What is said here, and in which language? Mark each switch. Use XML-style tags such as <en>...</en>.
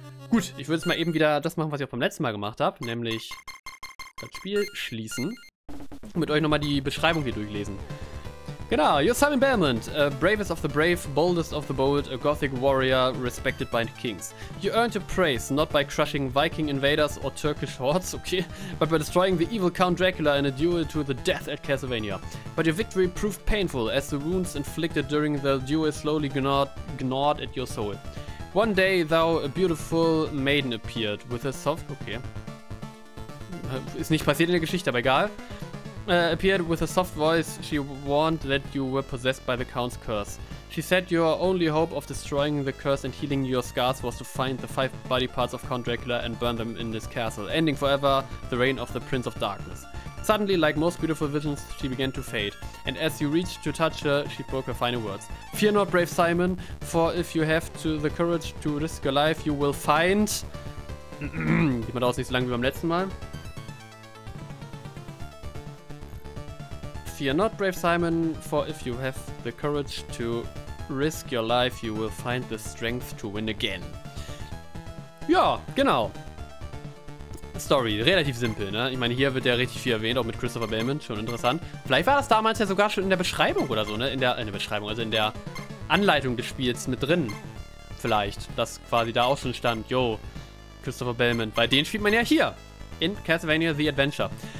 <de>Gut, ich würde jetzt mal eben wieder das machen, was ich auch beim letzten Mal gemacht habe, nämlich das Spiel schließen und mit euch nochmal die Beschreibung hier durchlesen. Genau,</de> <en>you're Simon Belmont, bravest of the brave, boldest of the bold, a gothic warrior respected by kings. You earned your praise not by crushing Viking invaders or Turkish hordes, okay, but by destroying the evil Count Dracula in a duel to the death at Castlevania. But your victory proved painful as the wounds inflicted during the duel slowly gnawed at your soul. One day, thou, a beautiful maiden appeared with a soft... Okay.</en> <de>Ist nicht passiert in der Geschichte, aber egal.</de> <en>Appeared with a soft voice. She warned that you were possessed by the Count's curse. She said your only hope of destroying the curse and healing your scars was to find the 5 body parts of Count Dracula and burn them in this castle, ending forever the reign of the Prince of Darkness. Suddenly, like most beautiful visions, she began to fade, and as you reached to touch her, she spoke her final words. Fear not, brave Simon, for if you have the courage to risk your life, you will find...</en> <de>Geht mal draus nicht so lange wie beim letzten Mal.</de> <en>Fear not, brave Simon, for if you have the courage to risk your life, you will find the strength to win again.</en> <de>Ja, genau. Story, relativ simpel, ne? Ich meine, hier wird ja richtig viel erwähnt, auch mit Christopher Belmont, schon interessant. Vielleicht war das damals ja sogar schon in der Beschreibung oder so, ne? In der Beschreibung, also in der Anleitung des Spiels mit drin. Vielleicht, dass quasi da auch schon stand, yo, Christopher Belmont, bei denen spielt man ja hier, in Castlevania The Adventure.</de>